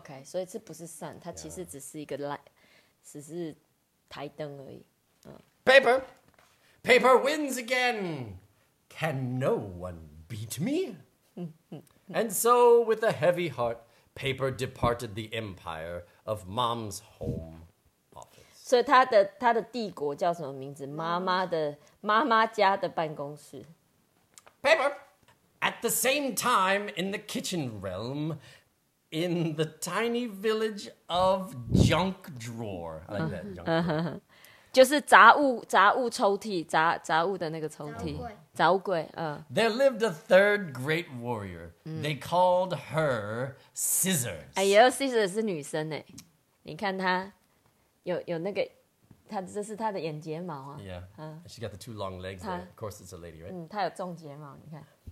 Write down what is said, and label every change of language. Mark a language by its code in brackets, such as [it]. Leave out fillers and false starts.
[zh] Okay, 所以这不是 sun， 它其实只是一个 light， 只是台灯而已。 [en] Paper wins again. Can no one beat me? And so with a heavy heart. Paper departed the empire of Mom's home office. [zh] 所以他的帝国叫什么名字？妈妈家的办公室。 [en] Paper. At the same time, in the kitchen realm, in the tiny village of junk drawer, I like that. Junk drawer. [zh] 就是杂物抽屉，杂物的那个抽屉，杂物柜。 [en] There lived a third great warrior.、嗯、They called her Scissors. [zh] 哎呦 ，Scissors 是女生哎，你看她有那个，她这是她的眼睫毛啊。 [en] Yeah.、She got the two long legs. Of course, it's a lady, right? [zh] 嗯，她有重睫毛，你看。